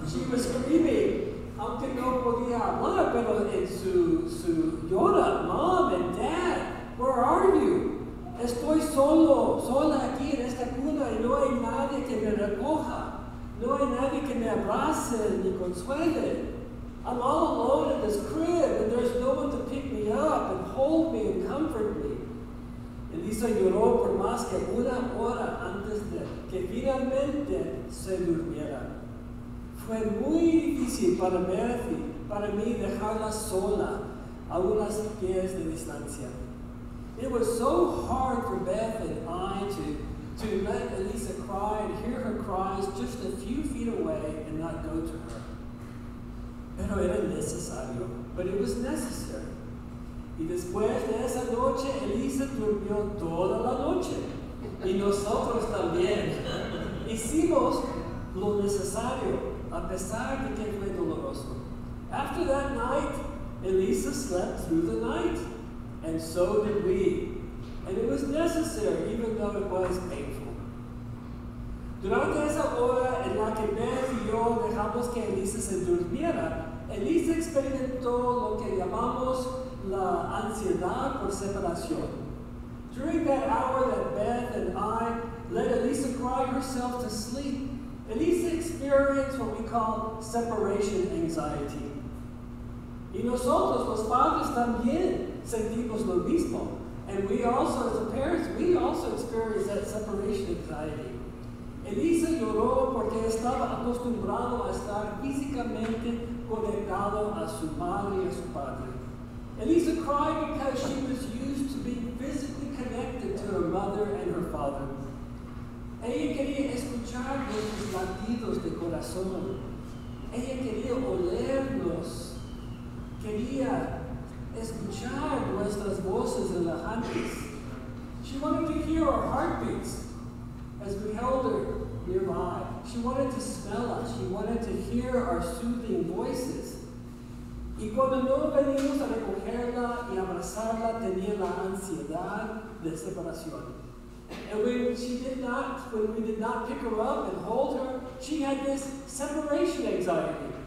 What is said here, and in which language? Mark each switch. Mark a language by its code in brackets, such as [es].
[en] She was screaming, [es] aunque no podía hablar, pero en su llora, [en] mom and dad, where are you? [es] Estoy solo, sola aquí en esta cuna y no hay nadie que me recoja. No hay nadie que me abrace ni consuele. [en] I'm all alone in this crib, and there's no one to pick me up and hold me and comfort me. [es] Elisa lloró por más que una hora antes de que finalmente se durmiera. Fue muy difícil para mí dejarla sola a unas pies de distancia. [en] It was so hard for Beth and I to let Elisa cry and hear her cries just a few feet away and not go to her. [es] Pero era necesario, [en] but it was necessary. [es] Y después de esa noche, Elisa durmió toda la noche. Y nosotros también. Hicimos lo necesario, a pesar de que fue doloroso. [en] After that night, Elisa slept through the night, and so did we. And it was necessary, even though it was painful. [es] Durante esa hora en la que Beth y yo dejamos que Elisa se durmiera, Elisa experimentó lo que llamamos la ansiedad por separación. [en] During that hour that Beth and I let Elisa cry herself to sleep, Elisa experienced what we call separation anxiety. [es] Y nosotros, los padres, también sentimos lo mismo. [en] And we also, as the parents, we also experience that separation anxiety. [es] Elisa lloró porque estaba acostumbrado a estar físicamente conectado a su madre y a su padre. [en] Elisa cried because she was used to being physically connected to her mother and her father. [es] Ella quería escuchar nuestros latidos de corazón. Ella quería olernos. Quería escuchar nuestras voces en la hands. [en] She wanted to hear our heartbeats as we held her nearby. She wanted to smell us. She wanted to hear our soothing voices. [es] Y cuando no venimos a recogerla y abrazarla, tenía la ansiedad de separación. [en] And when we did not pick her up and hold her, she had this separation anxiety.